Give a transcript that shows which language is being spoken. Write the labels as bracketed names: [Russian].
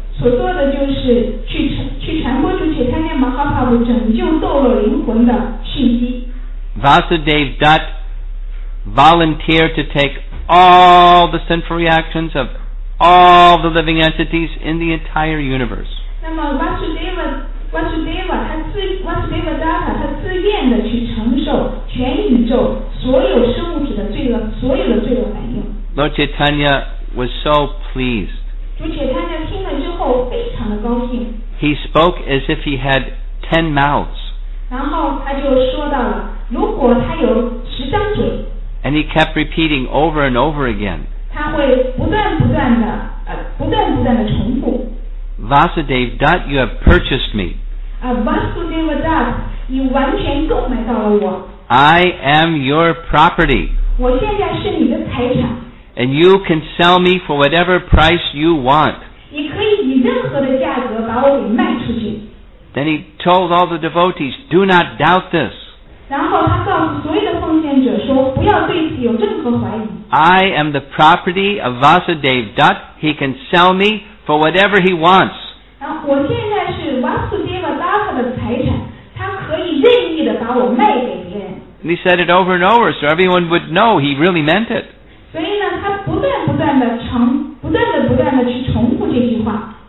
[Chinese] 所做的就是去传播出去他念马哈帕布拯救堕落灵魂的信息。 [English] Vasudev Dutt volunteered to take all the sinful reactions of all the living entities in the entire universe. [Chinese] 那么 Vasudeva Dutt 他自愿的去承受全宇宙所有生物体的罪恶，所有的罪恶反应。 [English] Lord Chaitanya was so pleased. [Chinese] 主且他在听了之后非常的高兴。 [English] He spoke as if he had 10 mouths. [Chinese] 然后他就说到了，如果他有十张嘴。 [English] And he kept repeating over and over again. [Chinese] 他会不断不断的重复。 [English] Vasudev Dutt, you have purchased me. [Chinese] Vasudeva Dutt, 你完全购买到了我。 [English] I am your property. [Chinese] 我现在是你的财产。 [English] And you can sell me for whatever price you want. [Chinese] 你可以以任何的价格把我给卖出去。 [English] Then he told all the devotees, "Do not doubt this." [Chinese] 然后他告诉所有的奉献者说，不要对此有任何怀疑。 [English] I am the property of Vasudev Dutt. He can sell me for whatever he wants. [Chinese] 我现在是 Vasudeva Dutt 的财产，他可以任意的把我卖给别人。 [English] And he said it over and over, so everyone would know he really meant it. [Chinese] 所以呢，他不断的去重复这句话。